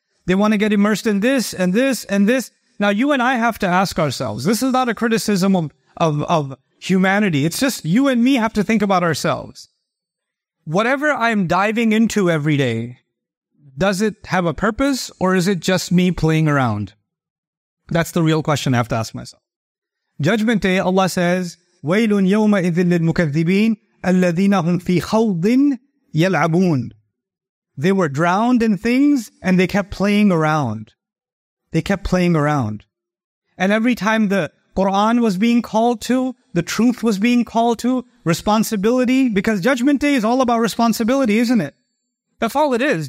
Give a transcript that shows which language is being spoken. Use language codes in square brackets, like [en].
[en] They want to get immersed in this and this and this. Now, you and I have to ask ourselves, this is not a criticism of humanity. It's just you and me have to think about ourselves. Whatever I'm diving into every day, does it have a purpose or is it just me playing around? That's the real question I have to ask myself. Judgment Day, Allah says, [ar] وَيْلٌ يَوْمَئِذٍ لِلْمُكَذِّبِينَ الَّذِينَ هُمْ فِي خَوْضٍ يَلْعَبُونَ. [en] They were drowned in things and they kept playing around. They kept playing around. And every time the Quran was being called to, the truth was being called to, responsibility, because Judgment Day is all about responsibility, isn't it? That's all it is.